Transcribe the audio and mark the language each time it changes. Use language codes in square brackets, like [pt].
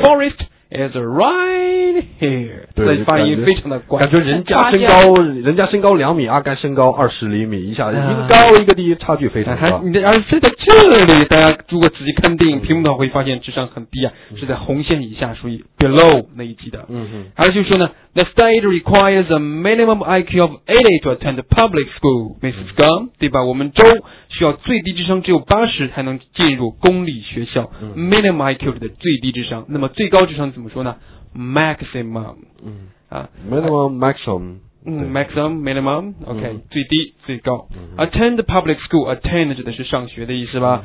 [en] ，Forest is right here。 [zh] 对，这发音非常的怪，感觉人家身高，人家身高两米，阿甘身高二十厘米，一下、一个高一个低，差距非常大。而且在这里，大家如果仔细看电影屏幕的话，会发现智商很低啊，是在红线以下，属于 below 那一级的。嗯哼。还有就是说呢 [en] ，The state requires a minimum IQ of 80 to attend public school, Mrs. Gum，、嗯、 [zh] 对吧？我们州。需要最低智商只有80才能进入公立学校、嗯、 Minimum IQ 的最低智商，那么最高智商怎么说呢 Maximum、嗯啊、 [en] Minimum Maximum、 Maximum Minimum OK、嗯、 [zh] 最低最高、嗯、 [en] Attend public school [zh] Attend 指的是上学的意思吧、